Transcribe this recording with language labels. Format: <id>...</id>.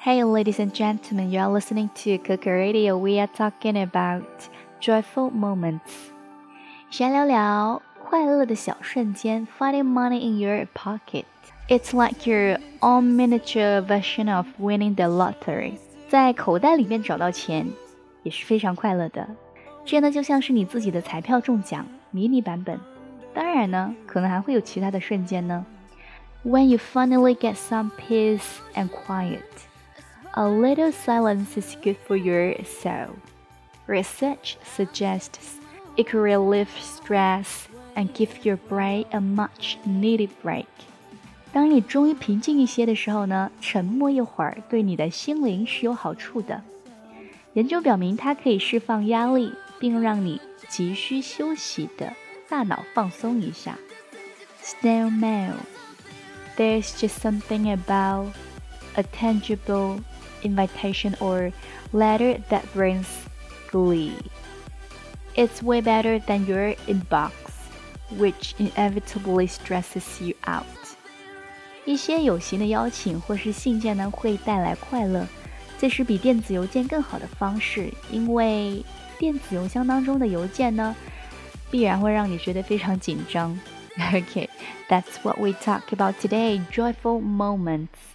<en>Hey, ladies and gentlemen, you are listening to Coco Radio. We are talking about joyful moments.</en> <zh>闲聊聊快乐的小瞬间</zh> <en>finding money in your pocket. It's like your own miniature version of winning the lottery.</en> <zh>在口袋里面找到钱也是非常快乐的。这呢就像是你自己的彩票中奖迷你版本。当然呢可能还会有其他的瞬间呢。</zh> <en>When you finally get some peace and quiet,A little silence is good for your soul. Research suggests it could relieve stress and give your brain a much needed break.</en> <zh>当你终于平静一些的时候呢，沉默一会儿对你的心灵是有好处的。研究表明它可以释放压力，并让你急需休息的大脑放松一下。</zh> <en>Snail mail. There's just something about a tangibleinvitation or letter that brings glee. It's way better than your inbox, which inevitably stresses you out.</en> <zh>一些有形的邀请或是信件呢会带来快乐，这是比电子邮件更好的方式，因为电子邮箱当中的邮件呢必然会让你觉得非常紧张。</zh> <en>Okay, that's what we talk about today, joyful moments.</en>